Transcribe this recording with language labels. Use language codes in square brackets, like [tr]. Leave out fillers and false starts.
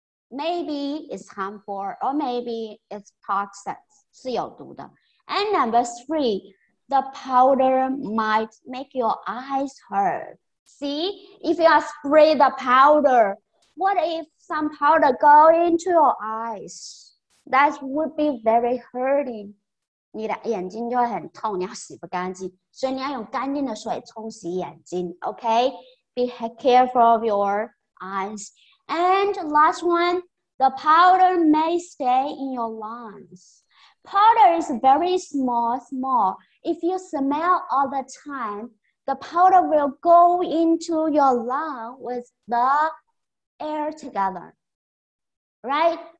[en] Maybe it's harmful or maybe it's toxic, [zh] 是有毒的。 [en] And number three, the powder might make your eyes hurt. See, if you spray the powder, what if some powder go into your eyes? That would be very hurting. [zh] 你的眼睛就会很痛，你要洗不干净，所以你要用干净的水冲洗眼睛。 [en] Okay, be careful of your eyes. And last one, the powder may stay in your lungs. Powder is very small. If you smell all the time,The powder will go into your lung with the air together, right?